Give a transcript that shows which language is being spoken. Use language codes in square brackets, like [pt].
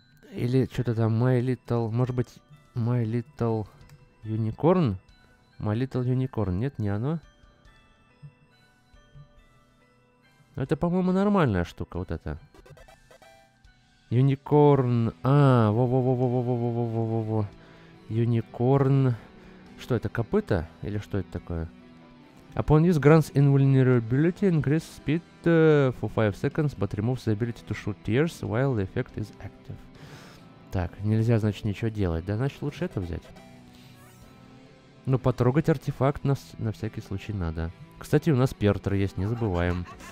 [ru] Или что-то там My Little... Может быть, My Little Unicorn? My Little Unicorn. Нет, не оно. Это, по-моему, нормальная штука, вот это. Юникорн. А, во-во-во-во-во-во-во-во-во-во. Юникорн. Что это, копыта? Или что это такое? [en] Upon use grants invulnerability, increase speed for 5 seconds, but removes the ability to shoot tears while the effect is active. [ru] Так, нельзя, значит, ничего делать. Да, значит, лучше это взять. Ну, потрогать артефакт на всякий случай надо. Кстати, у нас пертер есть, не забываем.